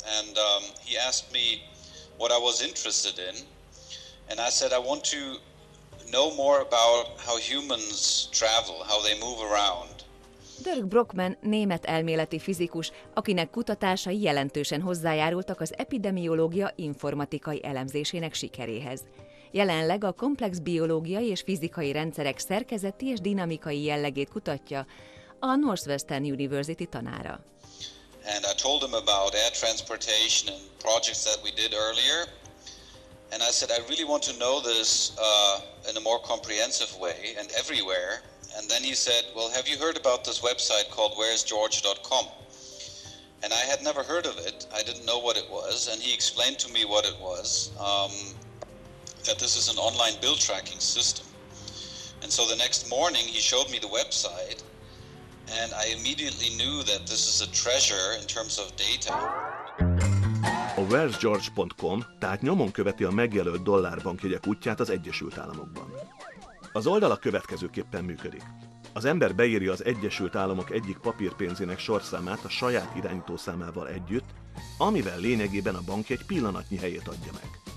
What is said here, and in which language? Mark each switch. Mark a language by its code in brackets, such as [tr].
[en] And he asked me what I was interested in, and I said, I want to know more about how humans travel, how they move around. [hu] Dirk Brockmann német elméleti fizikus, akinek kutatásai jelentősen hozzájárultak az epidemiológia informatikai elemzésének sikeréhez. Jelenleg a komplex biológiai és fizikai rendszerek szerkezeti és dinamikai jellegét kutatja, a Northwestern University tanára. [en] And I told him about air transportation and projects that we did earlier. And I said, I really want to know this in a more comprehensive way and everywhere. And then he said, well, have you heard about this website called wheresgeorge.com? And I had never heard of it. I didn't know what it was. And he explained to me what it was, that this is an online bill tracking system. And so the next morning he showed me the website, and I immediately knew that this is a treasure in terms of data. [hu] A wheresgeorge.com tehát nyomon követi a megjelölt dollárbankjegyek útját az Egyesült Államokban. Az oldala következőképpen működik. Az ember beírja az Egyesült Államok egyik papírpénzének sorszámát a saját irányítószámával együtt, amivel lényegében a bank egy pillanatnyi helyét adja meg.